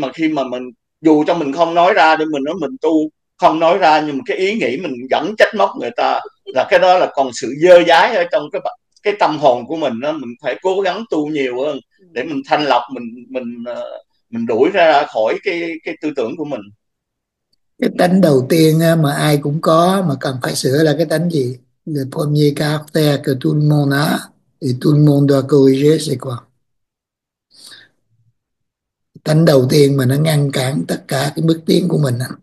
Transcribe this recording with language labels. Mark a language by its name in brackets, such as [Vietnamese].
[Vietnamese] Mà khi mà mình, dù cho mình không nói ra, để mình nói mình tu không nói ra, nhưng mà cái ý nghĩ mình vẫn trách móc người ta, là cái đó là còn sự dơ dáy ở trong cái tâm hồn của mình đó. Mình phải cố gắng tu nhiều hơn để mình thanh lọc, mình đuổi ra khỏi cái tư tưởng của mình. Cái tánh đầu tiên mà ai cũng có mà cần phải sửa là cái tánh gì? [French] Le premier caractère que tout le monde a et tout le monde doit corriger, c'est quoi? [Vietnamese] Tánh đầu tiên mà nó ngăn cản tất cả cái bước tiến của mình.